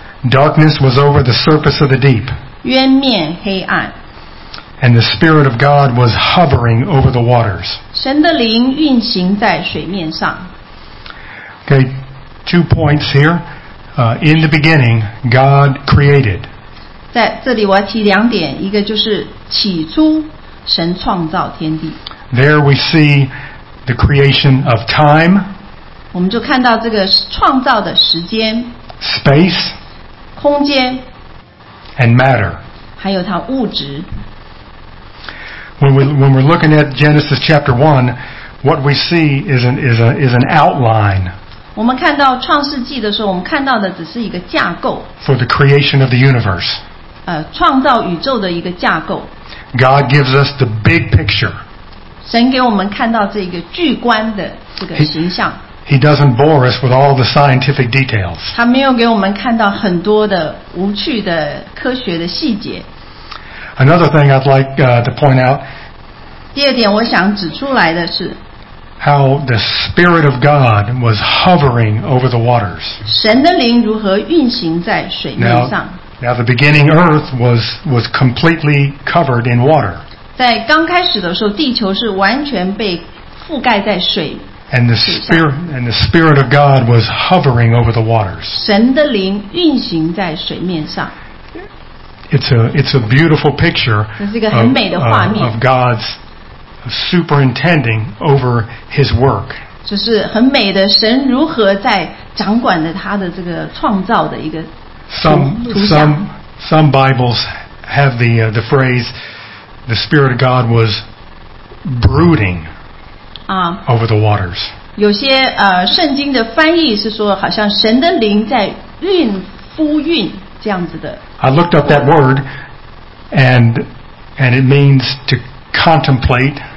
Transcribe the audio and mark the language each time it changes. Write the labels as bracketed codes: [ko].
[en] Darkness was over the surface of the deep. [zh] 渊面黑暗。 [en] And the Spirit of God was hovering over the waters. [zh] 神的灵运行在水面上。 [en] Okay, 2 points here. In the beginning, God created. [zh] 在这里我要提两点，一个就是起初神创造天地。 [en] There we see the creation of time. [zh] 我们就看到这个创造的时间。 [en] Space. [zh] 空间。 [en] And matter. [zh] 还有它物质。 [en] When we're looking at Genesis chapter 1, what we see is an outline. [zh] 我们看到创世纪的时候，我们看到的只是一个架构。 [en] For the creation of the universe. [zh] 创造宇宙的一个架构。 [en] God gives us the big picture. [zh] 神给我们看到这个巨观的这个形象。 [en] He doesn't bore us with all the scientific details. [zh] 他没有给我们看到很多的无趣的科学的细节。 [en] Another thing I'd like to point out. [zh] 第二点我想指出来的是。 [en] How the Spirit of God was hovering over the waters. [zh] 神的灵如何运行在水面上。 [en] Now the beginning earth was completely covered in water. [zh] 在刚开始的时候，地球是完全被覆盖在水。 [en] And the Spirit of God was hovering over the waters. [zh] 神的灵运行在水面上。 [en] It's a beautiful picture of God's superintending over His work. [zh] 这是很美的，神如何在掌管着他的这个创造的一个。 [en] Some Bibles have the phrase, the Spirit of God was brooding over the waters. [zh] 有些圣经的翻译是说，好像神的灵在运夫运这样子的。 [en] I looked up that word, and it means to contemplate.